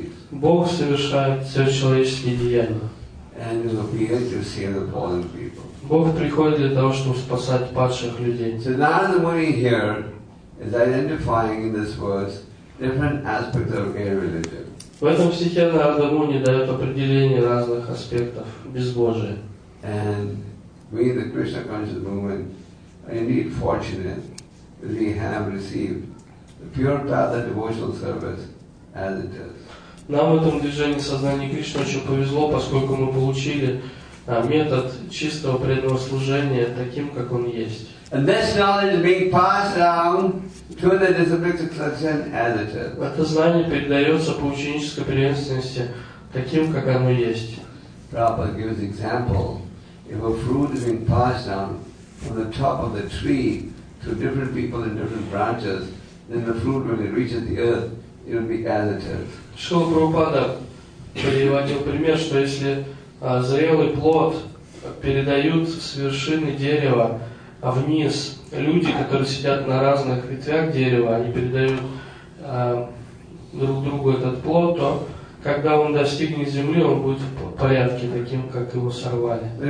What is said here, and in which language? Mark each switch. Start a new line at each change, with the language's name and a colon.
Russian: Бог совершает сверхчеловеческие деяния.
English: And he appears to save the fallen people.
Russian: Бог приходит для того, чтобы спасать падших людей.
English: So Narada Muni here is identifying in this verse different aspects of gay religion.
Russian: В этом стихе Нарада Муни дает определение разных аспектов безбожия.
English: And we, the Krishna conscious movement, are indeed fortunate that we have received the pure path of devotional service as it is.
Russian: Нам в этом движении сознания Кришны очень повезло, поскольку мы получили метод чистого преданного служения таким, как он есть. Это знание передается по ученической преемственности таким, как оно есть.
English: Prabhupada gives example. If a fruit is being passed down from the top of the tree to different people in different branches, then the fruit, when it reaches the earth, it will be as it is.
Russian: Шрила Прабхупада приводил пример, что если зрелый плод передают с вершины дерева вниз, люди, которые сидят на разных ветвях дерева, они передают друг другу этот плод, то когда он достигнет земли, он будет в порядке таким, как его сорвали.